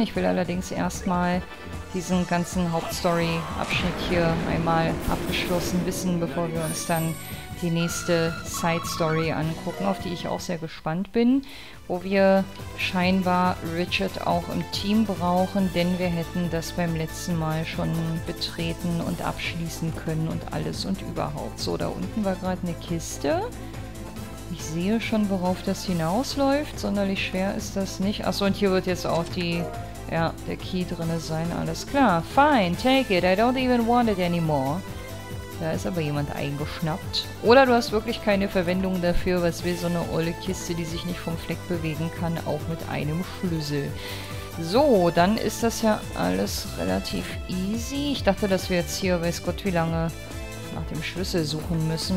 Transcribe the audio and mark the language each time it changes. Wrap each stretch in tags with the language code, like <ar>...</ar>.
<de>Ich will allerdings erstmal diesen ganzen Hauptstory-Abschnitt hier einmal abgeschlossen wissen, bevor wir uns dann die nächste Side-Story angucken, auf die ich auch sehr gespannt bin, wo wir scheinbar Richard auch im Team brauchen, denn wir hätten das beim letzten Mal schon betreten und abschließen können und alles und überhaupt. So, da unten war gerade eine Kiste. Ich sehe schon, worauf das hinausläuft. Sonderlich schwer ist das nicht. Achso, und hier wird jetzt auch die, ja, der Key drin sein. Alles klar.</de> <en>Fine, take it. I don't even want it anymore.</en> <de>Da ist aber jemand eingeschnappt. Oder du hast wirklich keine Verwendung dafür, was will so eine olle Kiste, die sich nicht vom Fleck bewegen kann, auch mit einem Schlüssel. So, dann ist das ja alles relativ easy. Ich dachte, dass wir jetzt hier, weiß Gott, wie lange nach dem Schlüssel suchen müssen.</de>